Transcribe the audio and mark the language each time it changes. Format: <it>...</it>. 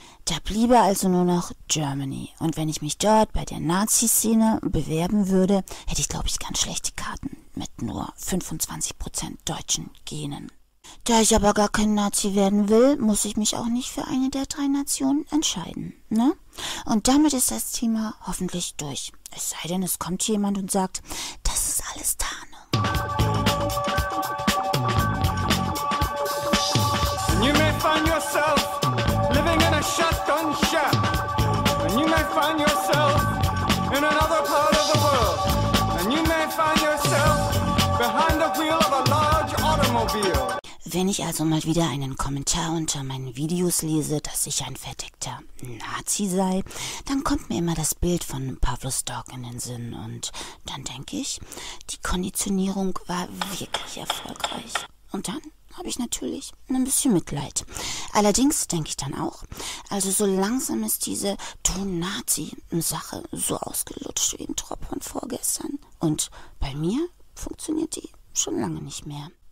<de>Da bliebe also nur noch Germany. Und wenn ich mich dort bei der Nazi-Szene bewerben würde, hätte ich, glaube ich, ganz schlechte Karten mit nur 25% deutschen Genen. Da ich aber gar kein Nazi werden will, muss ich mich auch nicht für eine der drei Nationen entscheiden, ne? Und damit ist das Thema hoffentlich durch. Es sei denn, es kommt jemand und sagt, das ist alles Tarnung.</de> <en>And you may find yourself living in a shotgun shack. And you may find yourself in another part of the world. And you may find yourself behind the wheel of a large automobile.</en> <de>Wenn ich also mal wieder einen Kommentar unter meinen Videos lese, dass ich ein verdeckter Nazi sei, dann kommt mir immer das Bild von Pavlov Dog in den Sinn und dann denke ich, die Konditionierung war wirklich erfolgreich. Und dann habe ich natürlich ein bisschen Mitleid. Allerdings denke ich dann auch, also so langsam ist diese Du-Nazi-Sache so ausgelutscht wie ein Tropf von vorgestern und bei mir funktioniert die schon lange nicht mehr.</de>